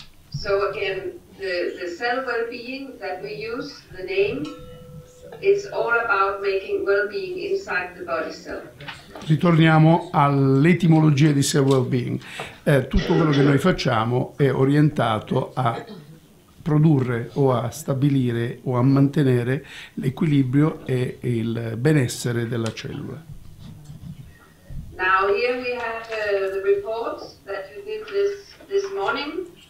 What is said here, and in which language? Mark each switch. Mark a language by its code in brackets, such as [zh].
[en] So again, the cell well-being that we use, the name, it's all about making well-being inside the body cell. [it] Ritorniamo all'etimologia di cell well-being. Tutto quello che noi facciamo è orientato a produrre o a stabilire o a mantenere l'equilibrio e il benessere della cellula. [en] Now here we have the report that you did this morning.